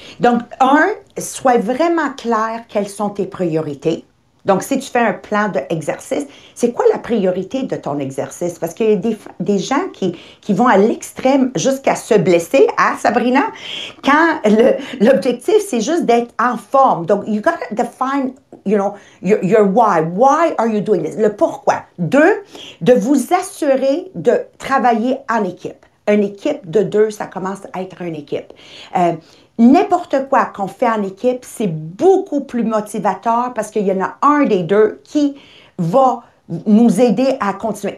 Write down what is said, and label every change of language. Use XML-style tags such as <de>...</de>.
<fr>Donc, un, sois vraiment clair quelles sont tes priorités. Donc, si tu fais un plan d'exercice, c'est quoi la priorité de ton exercice? Parce qu'il y a des gens qui vont à l'extrême jusqu'à se blesser, hein, Sabrina? Quand l'objectif, c'est juste d'être en forme.</fr> <en>Donc, you gotta define, you know, your why. Why are you doing this?</en> <fr>Le pourquoi. Deux, de vous assurer de travailler en équipe. Une équipe de deux, ça commence à être une équipe. N'importe quoi qu'on fait en équipe, c'est beaucoup plus motivateur parce qu'il y en a un des deux qui va nous aider à continuer.</fr>